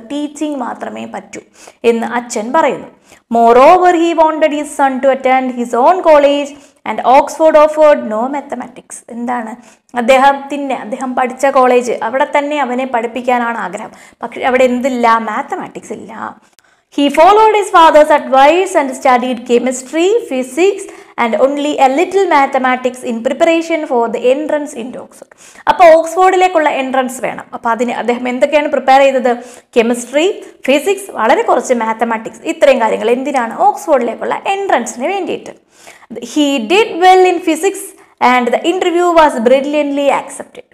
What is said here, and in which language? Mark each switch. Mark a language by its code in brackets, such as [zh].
[ml] Teaching മാത്രമേ പറ്റൂ എന്ന് അച്ഛൻ പറയുന്നു. [en] Moreover he wanted his son to attend his own college and Oxford offered no mathematics. [ml] എന്താണ്, അദ്ദേഹം പഠിച്ച കോളേജ് അവിടെ തന്നെ അവനെ പഠിപ്പിക്കാനാണ് ആഗ്രഹം, പക്ഷേ അവിടെ എന്തില്ല? മാത്തമാറ്റിക്സ് ഇല്ല. [en] He followed his father's advice and studied chemistry, physics and only a little mathematics in preparation for the entrance into Oxford. [ml] അപ്പോൾ ഓക്സ്ഫോർഡിലേക്കുള്ള എൻട്രൻസ് വേണം. അപ്പോൾ അതിന് അദ്ദേഹം എന്തൊക്കെയാണ് പ്രിപ്പയർ ചെയ്തത്? കെമിസ്ട്രി, ഫിസിക്സ്, വളരെ കുറച്ച് മാത്തമാറ്റിക്സ്, ഇത്രയും കാര്യങ്ങൾ. എന്തിനാണ്? ഓക്സ്ഫോർഡിലേക്കുള്ള എൻട്രൻസിന് വേണ്ടിയിട്ട്. [en] He did well in physics and the interview was brilliantly accepted.